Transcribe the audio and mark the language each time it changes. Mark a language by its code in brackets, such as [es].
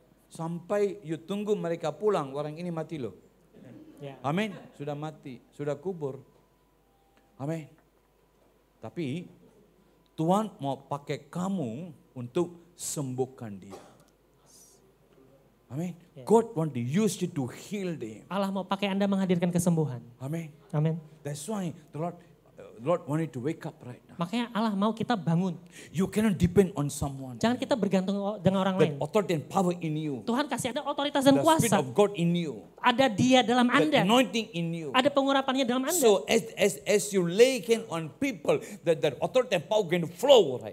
[id] Sampai you tunggu mereka pulang, orang ini mati loh. [en] Yeah. [id] Amin. Sudah mati, sudah kubur. Amin. Tapi Tuhan mau pakai kamu untuk sembuhkan dia. Amin. Yeah. [en] God want to use you to heal them. [id] Allah mau pakai Anda menghadirkan kesembuhan. Amin. Amin. [en] That's why the Lord wanted to wake up right now. [id] Makanya Allah mau kita bangun. [en] You cannot depend on someone. [id] Jangan kita bergantung dengan orang [en] that [id] lain. [en] Authority and power in you. [id] Tuhan kasih ada otoritas dan [en] the [id] kuasa. [en] Spirit of God in you. [id] Ada dia dalam [en] the [id] Anda. [en] Anointing in you. [id] Ada pengurapannya dalam Anda. [en] So as you lay hand on people, that authority and power going to flow, right?